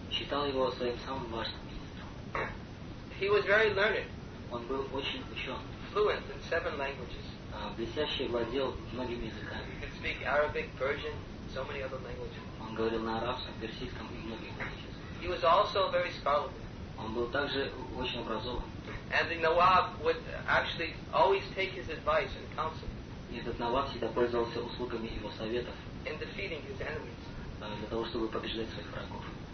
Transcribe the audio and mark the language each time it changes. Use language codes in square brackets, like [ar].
[ru] Считал его своим самым важным министром. [en] He was very learned. [ru] Он был очень учен. [en] Fluent in seven languages. [ru] Блестяще владел многими языками. [en] He could speak Arabic, Persian, so many other languages. [ru] Он говорил на арабском, персидском и многих языках. [en] He was also very scholarly. [ru] Он был также очень образован. [en] And the Nawab would actually always take his advice and counsel. [ru] И этот Nawab всегда пользовался услугами его советов. [en] In defeating his enemies. [ru] Для того, чтобы побеждать своих врагов.